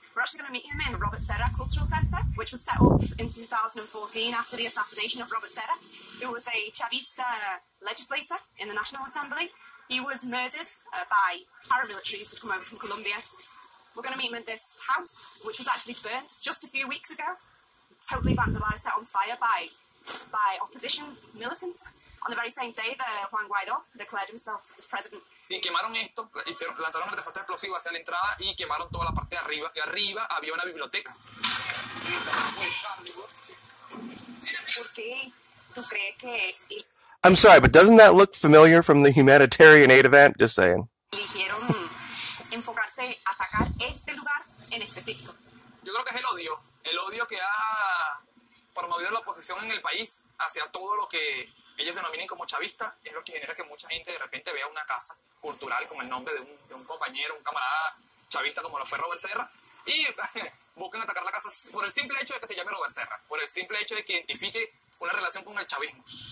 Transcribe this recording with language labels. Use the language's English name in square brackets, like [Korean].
[English] We're actually going to meet him in Robert Serra Cultural Center, which was set up in 2014 after the assassination of Robert Serra, who was a Chavista legislator in the National Assembly. He was murdered by paramilitaries who come over from Colombia. We're going to meet him at this house, which was actually burnt just a few weeks ago, totally vandalized, set on fire by opposition militants. On the very same day, Juan Guaidó declared himself as president. [Spanish] Sí, quemaron esto, lanzaron un artefacto explosivo hacia la entrada y quemaron toda la parte de arriba. Y arriba había una biblioteca. ¿Por qué tú crees que? [English] I'm sorry, but doesn't that look familiar from the humanitarian aid event? Just saying. [Spanish] Eligieron enfocarse a atacar este lugar en específico? Yo creo que es el odio que ha promovido la oposición en el país hacia todo lo que ellos denominen como chavista, es lo que genera que mucha gente de repente vea una casa cultural con el nombre de un compañero, un camarada chavista como lo fue Robert Serra, y busquen atacar la casa por el simple hecho de que se llame Robert Serra, por el simple hecho de que identifique una relación con el chavismo.